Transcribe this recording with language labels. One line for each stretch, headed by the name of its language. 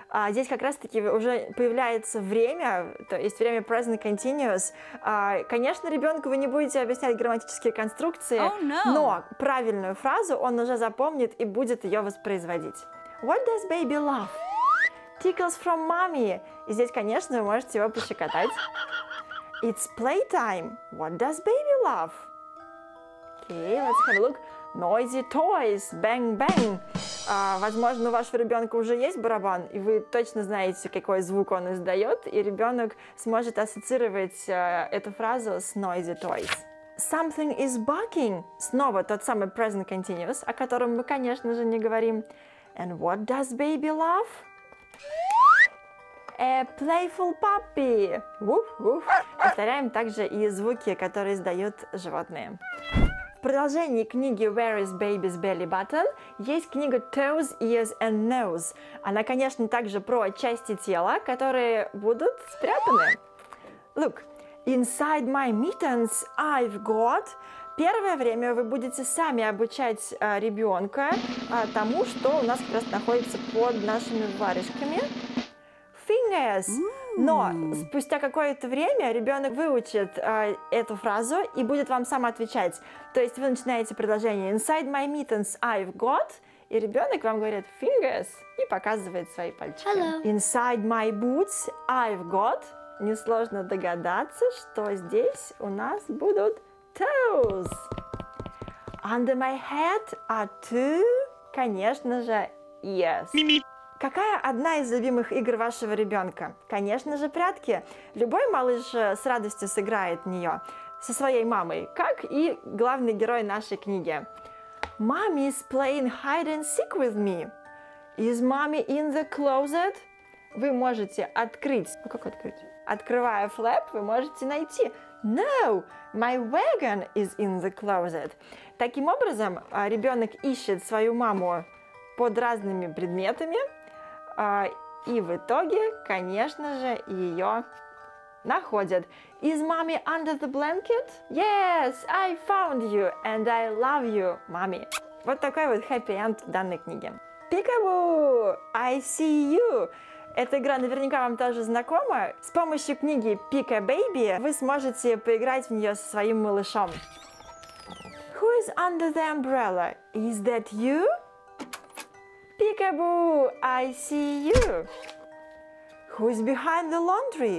Russian: Здесь как раз-таки уже появляется время, то есть время present continuous. Конечно, ребенку вы не будете объяснять грамматические конструкции,
English: oh, no.
Russian: Но правильную фразу он уже запомнит и будет ее воспроизводить.
English: What does baby love? Tickles from mommy.
Russian: И здесь, конечно, вы можете его пощекотать.
English: It's playtime. What does baby love? Okay, let's have a look. Noisy toys. Bang, bang.
Russian: Возможно, у вашего ребенка уже есть барабан, и вы точно знаете, какой звук он издает, и ребенок сможет ассоциировать эту фразу с
English: noisy toys. Something is barking.
Russian: Снова тот самый present continuous, о котором мы, конечно же, не говорим.
English: And what does baby love? A playful puppy. Woof-woof.
Russian: Повторяем также и звуки, которые издают животные. В продолжении книги Where is Baby's Belly Button есть книга Toes, Ears and Nose. Она, конечно, также про части тела, которые будут спрятаны.
English: Look, inside my mittens I've got...
Russian: Первое время вы будете сами обучать ребенка тому, что у нас как раз находится под нашими варежками.
English: Fingers!
Russian: Но спустя какое-то время ребенок выучит эту фразу и будет вам сам отвечать. То есть вы начинаете предложение
English: inside my mittens I've got,
Russian: и ребенок вам говорит fingers и показывает свои пальчики.
English: Hello. Inside my boots I've got.
Russian: Несложно догадаться, что здесь у нас будут toes.
English: Under my head are two,
Russian: конечно же,
English: ears.
Russian: Какая одна из любимых игр вашего ребенка? Конечно же, прятки. Любой малыш с радостью сыграет в нее со своей мамой, как и главный герой нашей книги.
English: Mommy is playing hide and seek with me. Is mommy in the closet?
Russian: Вы можете открыть. Ну как открыть? Открывая флэп, вы можете найти.
English: No, my wagon is in the closet.
Russian: Таким образом, ребенок ищет свою маму под разными предметами. И в итоге, конечно же, ее находят.
English: Is mommy under the blanket? Yes, I found you and I love you, mommy.
Russian: Вот такой вот happy end данной книги.
English: Peek-a-boo, I see you.
Russian: Эта игра наверняка вам тоже знакома. С помощью книги Peek-a-baby вы сможете поиграть в нее со своим малышом.
English: Who is under the umbrella? Is that you? Peek-a-boo, I see you. Who's behind the laundry?